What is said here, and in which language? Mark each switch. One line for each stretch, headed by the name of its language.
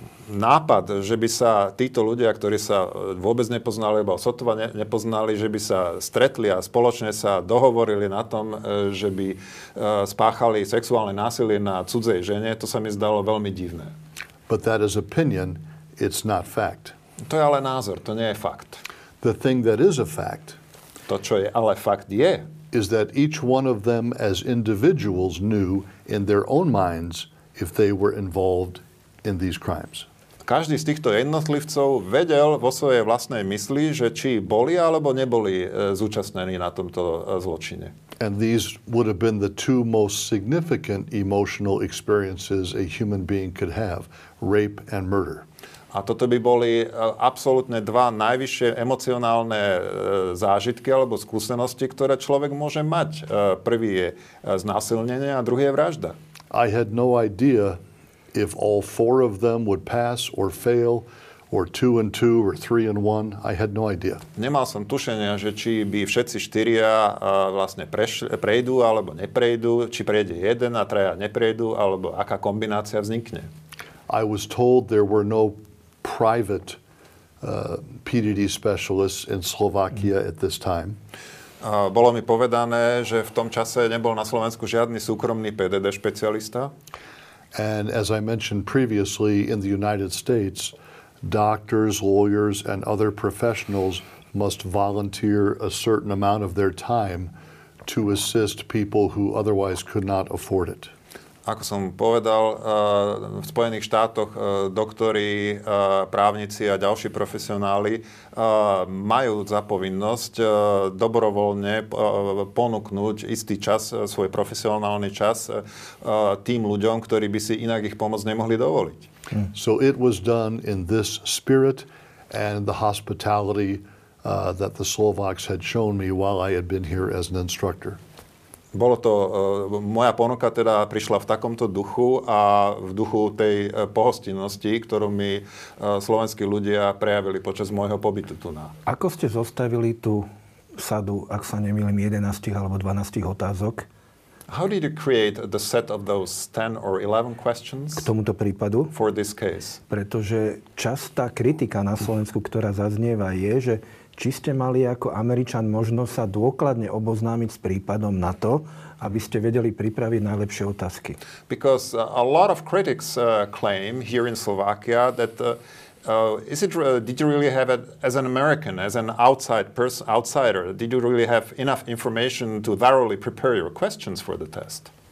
Slovak: Nápad, že by sa títo ľudia, ktorí sa vôbec nepoznali, alebo sotva nepoznali, že by sa stretli a spoločne sa dohovorili na tom, že by spáchali sexuálne násilie na cudzej žene, to sa mi zdalo veľmi divné.
English: But that is opinion, it's not fact.
Slovak: To je ale názor, to nie je fakt.
English: The thing that is a fact,
Slovak: to, čo je ale fakt, je,
English: is that each one of them as individuals knew in their own minds if they were involved in these crimes.
Slovak: Každý z týchto jednotlivcov vedel vo svojej vlastnej mysli, že či boli alebo neboli zúčastnení na tomto zločine.
English: And these would have been the two most significant emotional experiences a human being could have, rape and murder.
Slovak: A toto by boli absolútne dva najvyššie emocionálne zážitky alebo skúsenosti, ktoré človek môže mať. Prvý je znásilnenie a druhý je vražda.
English: I had no idea if all four of them would pass or fail, or two and two, or three and one, I had no idea.
Slovak: Nemal som tušenia, že či by všetci štyria vlastne prejdú alebo neprejdú, či prejde jeden a traja neprejdú, alebo aká kombinácia vznikne.
English: I was told there were no private PDD specialists in Slovakia at this time.
Slovak: Bolo mi povedané, že v tom čase nebol na Slovensku žiadny súkromný PDD špecialista.
English: And as I mentioned previously, in the United States, doctors, lawyers, and other professionals must volunteer a certain amount of their time to assist people who otherwise could not afford it.
Slovak: Ako som povedal, v Spojených štátoch doktori, právnici a ďalší profesionáli majú za povinnosť dobrovoľne ponúknuť istý čas, svoj profesionálny čas tým ľuďom, ktorí by si inak ich pomoc nemohli dovoliť.
English: So it was done in this spirit and the hospitality that the Slovaks had shown me while I had been here as an instructor.
Slovak: Bolo to, moja ponuka teda prišla v takomto duchu a v duchu tej pohostinnosti, ktorú mi slovenskí ľudia prejavili počas môjho pobytu tu na. Ako ste zostavili tú sadu, ak sa nemýlim, 11 alebo 12 otázok?
English: How did you create the set of those 10 or 11 questions?
Slovak: K tomuto prípadu?
English: For this case.
Slovak: Pretože častá kritika na Slovensku, ktorá zaznieva, je, že či ste mali ako Američan možnosť sa dôkladne oboznámiť s prípadom na to, aby ste vedeli pripraviť najlepšie otázky.
English: Because a lot of critics claim here in Slovakia that did you really have it as an American, as an outsider, did you really have enough information to thoroughly prepare your questions for the test?